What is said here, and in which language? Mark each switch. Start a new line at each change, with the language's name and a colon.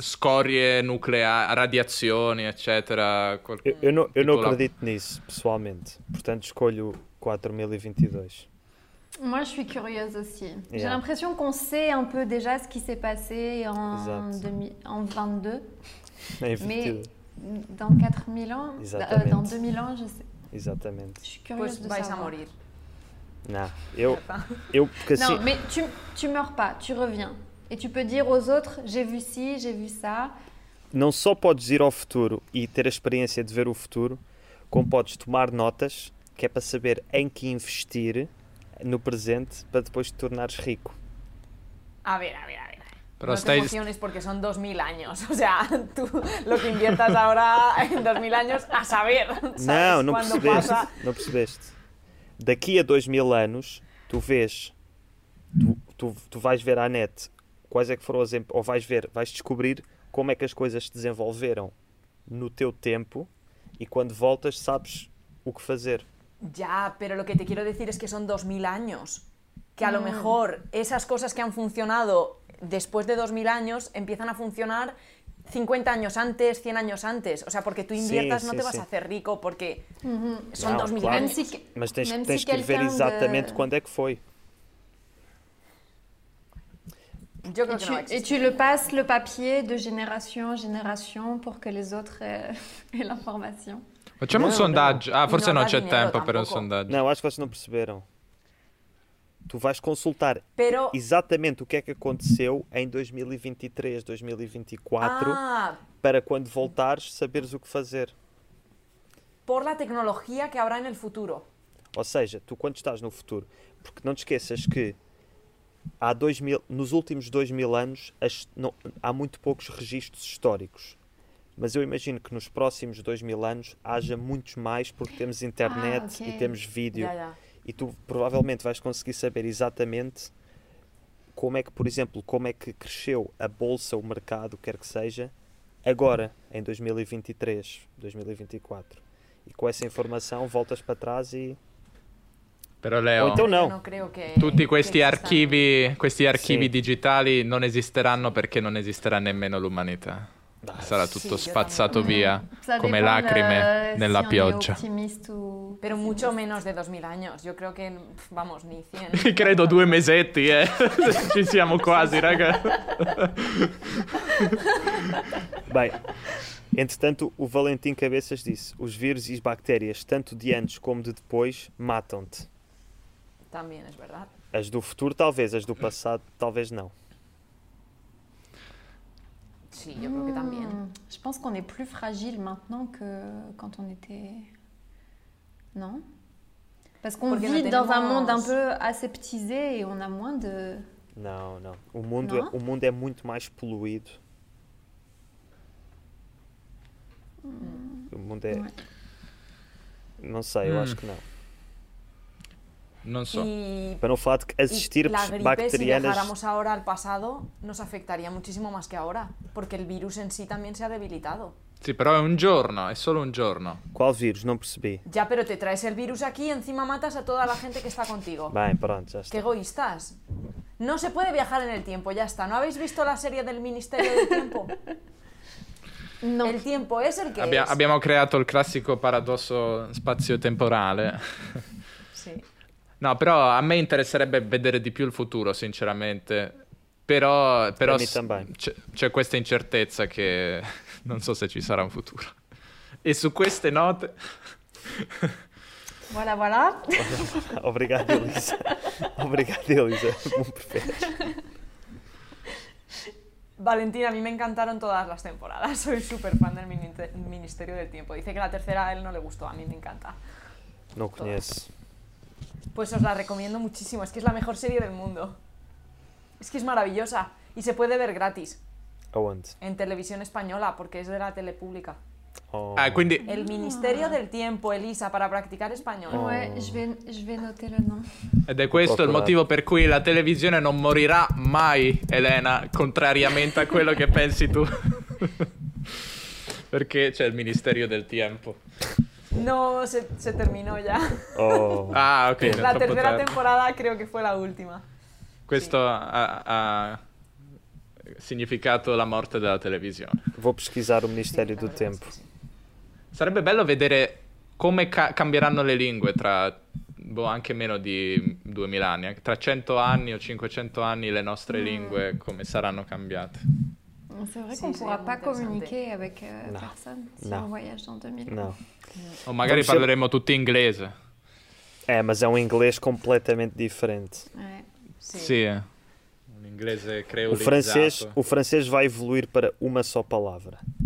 Italian: Scorie nucleari, radiazioni, eccetera. Io non credo nisso, pessoalmente.
Portuguese: Portanto, escolho 4022.
French: Moi, je suis curieuse aussi. Yeah. J'ai l'impression qu'on sait un peu déjà ce qui s'est passé en 22. Mais dans 4000 ans, dans 2000 ans, je sais.
Portuguese: Exatamente.
French: Je suis curieuse pois de savoir. Morir.
Portuguese: Non, eu porque
French: assim... Non, mais tu meurs pas, tu reviens.
Portuguese: E tu podes dizer aos outros,
French: j'ai vu ci, j'ai vu ça.
Portuguese: Não só podes ir ao futuro e ter a experiência de ver o futuro, como podes tomar notas, que é para saber em que investir no presente, para depois te tornares rico. A ver, a ver, a ver. Pero não te emociones porque são 2000 anos. Ou seja, tu,
Spanish: lo que inviertas
Portuguese: agora em 2000 anos, a saber. Não, não percebeste, passa... não percebeste. Daqui a 2000 anos, tu vês, tu vais ver à net... Quais é que foram os... Ou vais ver, vais descobrir como é que as coisas se desenvolveram no teu tempo e quando voltas sabes o que fazer.
Spanish: Já, pero lo que te quiero decir es que son 2000 años. Que a lo mejor esas cosas que han funcionado después de 2000 años empiezan a funcionar 50 años antes, 100 años antes. O sea, porque tú inviertas sim, no te vas a hacer rico porque son 2000 claro. Años.
Portuguese: Mas tens que ver exatamente quando é que foi.
French: Et tu le passes le papier de génération en génération pour que les autres aient l'information.
Italian: Facciamo un sondaggio. Ah, forse non c'è tempo per un sondaggio.
Portuguese: No, acho que vocês não perceberam. Tu vais consultar exatamente o que é que aconteceu em 2023, 2024, para quando voltares saberes o que fazer.
Spanish: Por la tecnología que habrá en el futuro.
Portuguese: Ou seja, tu quando estás no futuro, porque não te esqueças que há 2000, nos últimos 2000 anos há muito poucos registros históricos. Mas eu imagino que nos próximos 2000 anos haja muitos mais, porque temos internet e temos vídeo. E tu provavelmente vais conseguir saber exatamente como é que, por exemplo, como é que cresceu a bolsa, o mercado, quer que seja, agora, em 2023, 2024. E com essa informação voltas para trás e...
Italian: Però Leo,
Portuguese: então não.
Italian: Tutti questi archivi, digitali non esisteranno perché non esisterà nemmeno l'umanità. Sarà tutto spazzato via come lacrime nella pioggia. Però molto meno di 2000 anni. Io credo che,
Spanish: vamos, ni 100.
Italian: Credo due mesetti, Ci siamo quasi, raga.
Portuguese: Bem, entretanto, o Valentim Cabeças disse: os vírus e as bactérias, tanto de antes como de depois, matam-te. Também, é verdade. As do futuro, talvez, as do passado, talvez não. Sim, eu acho que também.
French: Je pense qu'on est plus fragile maintenant que quand on était. Non? Parce qu'on porque vit dans un monde un peu aseptisé et on a moins de.
Portuguese: Não, não. O mundo, não? O mundo é muito mais poluído. O mundo é. Ouais. Não sei, eu acho que não.
Spanish: No sé.
Portuguese: Para no falar de que as estirpes bacterianas...
Spanish: Si dejáramos ahora al pasado, nos afectaría muchísimo más que ahora, porque el virus en sí también se ha debilitado. Sí, pero es un giorno, es solo un giorno. ¿Cuál virus? No percibí. Ya, pero te traes el virus aquí y encima matas a toda la gente que está contigo. Bien, pronto, ya está. ¡Qué egoístas! No se puede viajar en el tiempo, ya está. ¿No habéis visto la serie del Ministerio del Tiempo? No. El tiempo es el que es.
Italian: Abbiamo creato
Spanish: el clásico
Italian: paradosso spazio-temporale.
Spanish: Sí.
Italian: No, però a me interesserebbe vedere di più il futuro, sinceramente. Però c'è questa incertezza che non so se ci sarà un futuro. E su queste note...
French: Voilà, voilà.
Portuguese: Obrigado, Elisa. Obrigado, Elisa.
Spanish: Valentina, a mí me encantaron todas las temporadas. Soy súper fan del Ministerio del Tiempo. Dice que la tercera a él no le gustó. A mí me encanta. No conoces. Pues os la recomiendo muchísimo, es que es la mejor serie del mundo. Es que es maravillosa y se puede ver gratis. Aguante. En televisión española, porque es de la tele pública.
Italian: Ah, quindi...
Spanish: El Ministerio del Tiempo, Elisa, para practicar español.
French: Oh. Je vais noter le nom.
Italian: Ed è questo il motivo per cui la televisione non morirà mai, Elena, contrariamente a quello che pensi tu. Perché c'è il Ministerio del Tiempo.
Spanish: No, se terminó ya. Oh. Ah, ok. La tercera temporada creo que fue la última. Esto ha significado la muerte de la televisión. Voy a pesquisar el Ministerio del Tiempo.
Italian: Sarebbe bello vedere come cambieranno le lingue tra, anche meno di 2000 anni. Tra 100 anni o 500 anni le nostre lingue come saranno cambiate.
French: C'est vrai qu'on ne pourra pas communiquer avec personne si on voyage en 2000. Non.
Italian: Ou magari parleremo tutti inglese.
Portuguese: Mais é um inglês completamente diferente. Sim. Um inglês creolizado. O francês vai evoluir para uma só palavra.